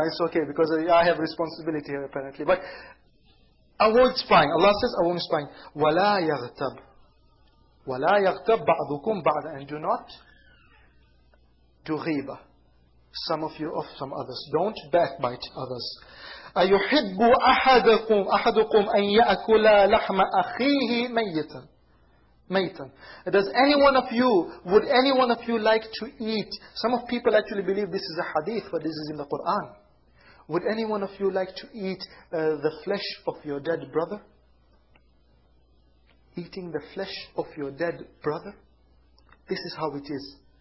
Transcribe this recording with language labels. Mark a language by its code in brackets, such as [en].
[en] It's okay because I have responsibility here apparently. But avoid spying. Allah says avoid spying. [ar] وَلَا يَغْتَب. وَلَا يَغْتَبْ بَعْضُكُمْ بَعْضًا. [en] And do not do ghiba, some of you of some others. Don't backbite others. [ar] أَيُحِبُّ أَحَدُكُمْ أَنْ يَأْكُلَ لَحْمَ أَخِيهِ مَيْتًا. مَيْتًا. [en] Does any one of you, would any one of you like to eat? Some of people actually believe this is a hadith, but this is in the Quran. Would any one of you like to eat the flesh of your dead brother? Eating the flesh of your dead brother. This is how it is.